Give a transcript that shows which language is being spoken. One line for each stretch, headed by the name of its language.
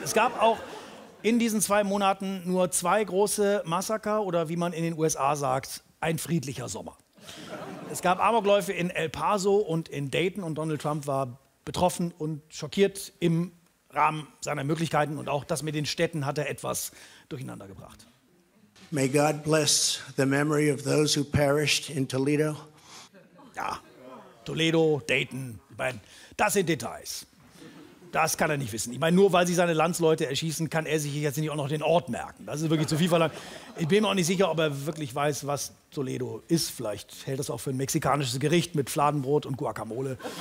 German: Es gab auch in diesen zwei Monaten nur zwei große Massaker oder wie man in den USA sagt, ein friedlicher Sommer. Es gab Amokläufe in El Paso und in Dayton und Donald Trump war betroffen und schockiert im Rahmen seiner Möglichkeiten und auch das mit den Städten hat er etwas durcheinander gebracht.
English: May God bless the memory of those who perished in Toledo.
German: Ja, Toledo, Dayton, ich meine, das sind Details. Das kann er nicht wissen. Ich meine, nur weil sie seine Landsleute erschießen, kann er sich jetzt nicht auch noch den Ort merken. Das ist wirklich zu viel verlangt. Ich bin mir auch nicht sicher, ob er wirklich weiß, was Toledo ist. Vielleicht hält das auch für ein mexikanisches Gericht mit Fladenbrot und Guacamole.